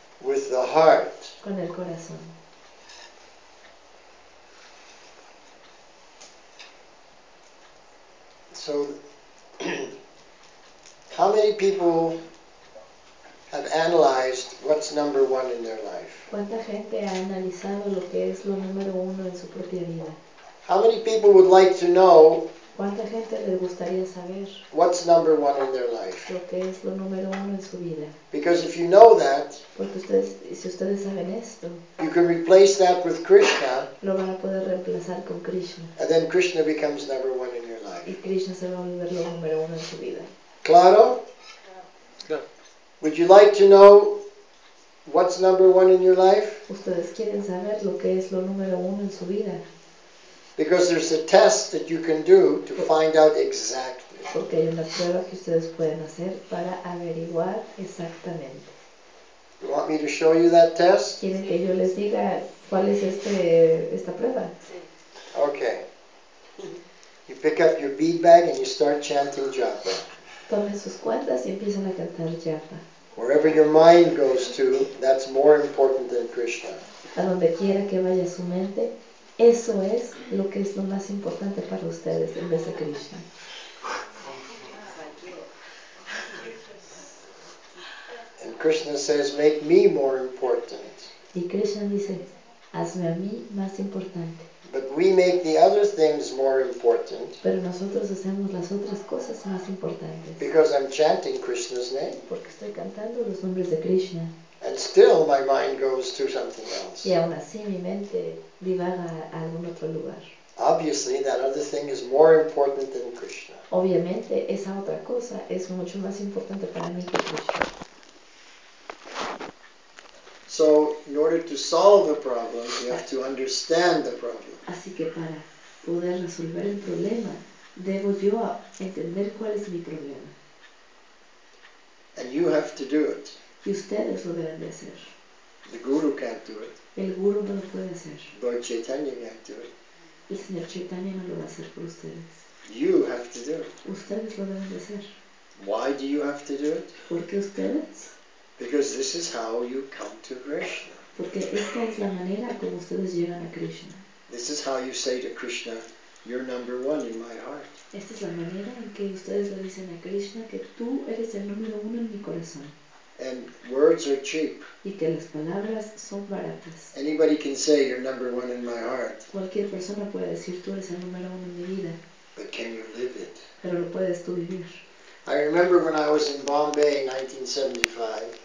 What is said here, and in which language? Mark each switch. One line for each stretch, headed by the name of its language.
English: With the heart.
Spanish: Con el corazón.
English: So, how many people have analyzed what's number one in their life?
Spanish: ¿Cuánta gente ha analizado lo que es lo número uno en su propia vida?
English: How many people would like to know
Spanish: ¿Cuánta gente le gustaría saber?
English: What's number one in their life?
Spanish: Lo que es lo número uno en su vida.
English: Because if you know that,
Spanish: porque ustedes, si ustedes saben esto,
English: you can replace that with Krishna,
Spanish: lo van a poder reemplazar con Krishna.
English: And then Krishna becomes number one in your life.
Spanish: Y Krishna se va a volver lo número uno en su vida. Claro?
English: Yeah. Would you like to know what's number one in your life?
Spanish: ¿Ustedes quieren saber lo que es lo número uno en su vida?
English: Because there's a test that you can do to find out exactly.
Spanish: Porque hay una prueba que ustedes pueden hacer para averiguar exactamente.
English: You want me to show you that test?
Spanish: ¿Quieren que yo les diga cuál es esta prueba?
English: Okay. You pick up your bead bag and you start chanting Japa.
Spanish: Tomen sus cuentas y empiezan a cantar Japa.
English: Wherever your mind goes to, that's more important than Krishna.
Spanish: A donde quiera que vaya su mente, eso es lo que es lo más importante para ustedes en vez de Krishna.
English: And Krishna says, make me more important.
Spanish: Y Krishna dice, hazme a mí más importante.
English: But we make the other things more important.
Spanish: Pero nosotros hacemos las otras cosas más importantes.
English: Because I'm chanting Krishna's name.
Spanish: Porque estoy cantando los nombres de Krishna.
English: And still my mind goes to something else.
Spanish: Y aún así mi mente divaga a algún otro lugar.
English: Obviously that other thing is more important than Krishna.
Spanish: Obviamente esa otra cosa es mucho más importante para mí que Krishna.
English: So in order to solve the problem, you have to understand the problem.
Spanish: Así que para poder resolver el problema, debo yo entender cuál es mi problema.
English: And you have to do it.
Spanish: Y ustedes lo deben de hacer.
English: The guru can't do it.
Spanish: El guru no lo puede hacer.
English: Lord Chaitanya can't do it.
Spanish: El señor Chaitanya no lo va a hacer por ustedes.
English: You have to do it.
Spanish: Ustedes lo deben de hacer.
English: Why do you have to do it?
Spanish: ¿Por qué ustedes?
English: Because this is how you come to Krishna.
Spanish: Porque esta es la manera como ustedes llegan a Krishna.
English: This is how you say to Krishna, you're number one in my heart.
Spanish: Esta es la manera en que ustedes le dicen a Krishna que tú eres el número uno en mi corazón.
English: And words are cheap.
Spanish: Y que las palabras son baratas.
English: Anybody can say you're number one in my heart.
Spanish: Cualquier persona puede decir tú eres el número uno en mi vida.
English: But can you live it?
Spanish: Pero lo puedes tú vivir.
English: I remember when I was in Bombay in 1975.